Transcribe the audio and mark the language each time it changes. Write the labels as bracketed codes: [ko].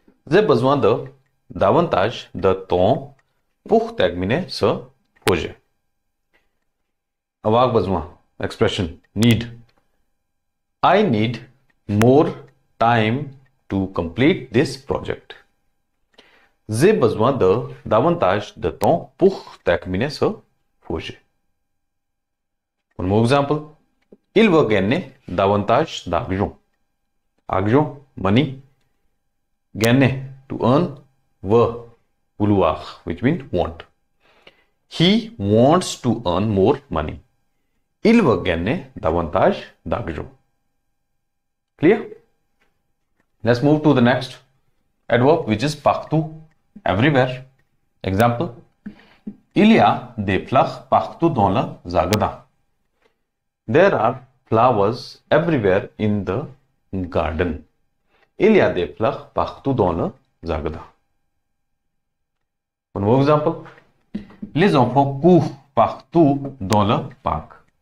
[fr] J'ai besoin de davantage de temps pour terminer ce projet. Avoir besoin. Expression. Need. [en] I need more time to complete this project. [fr] J'ai besoin de davantage de temps pour terminer ce projet. [en] One more example. [fr] Il veut gagner davantage d'argent. [en] Argent, money. Gagner, to earn. Veut, vouloir, which means want. He wants to earn more money. [fr] Il veut gagner davantage d'argent. Clear? [en] Let's move to the next adverb, which is partout, everywhere. [fr] Example, il y a des fleurs partout dans le jardin. [en] There are flowers everywhere in the garden. [fr] Il y a des fleurs partout dans le jardin. [en] One more example, [fr] les enfants courent partout dans le parc.